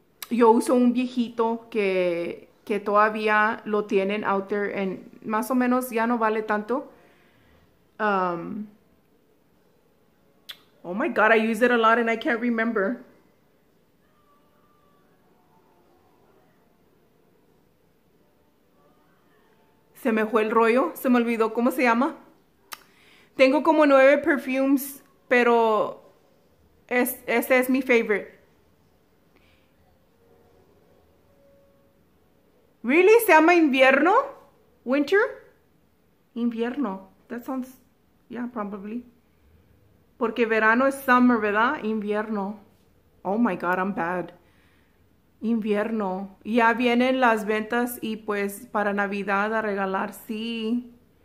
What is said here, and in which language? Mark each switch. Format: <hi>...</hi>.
<es>Yo uso un viejito que todavía lo tienen</es> <en>out there and</en> <es>más o menos ya no vale tanto.</es> <en>Oh my God, I use it a lot and I can't remember.</en> <es>Se me fue el rollo, se me olvidó cómo se llama. Tengo como 9 perfumes, pero ese es mi favorite.</es> <en>Really,</en> <es>se llama invierno? Winter? Invierno.</es> <en>That sounds, yeah, probably.</en> <es>Porque verano es summer, ¿verdad? Invierno.</es> <en>Oh my God, I'm bad.</en> <es>Invierno. Ya vienen las ventas y pues para Navidad a regalar, sí.</es>